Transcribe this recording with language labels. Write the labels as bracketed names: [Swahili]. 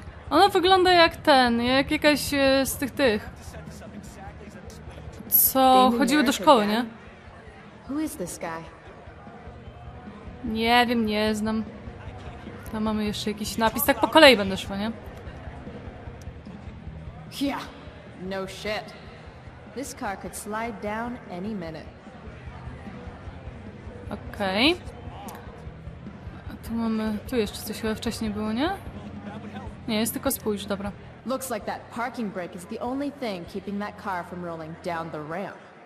[Polish] Ona wygląda jak ten, jak jakaś z tych tych. Co chodziły do szkoły, nie? [English] Who is this guy? [Polish] Nie wiem, nie znam. Tam mamy jeszcze jakiś napis, tak po kolei będę szła, nie? [English] Yeah, no shit. This car could slide down any minute. [Polish] Okej. Okay. Tu mamy, tu jeszcze coś chyba wcześniej było, nie? Nie, jest tylko spójrz, dobra. [English] Looks like that parking brake is the only thing keeping that car from rolling down the ramp.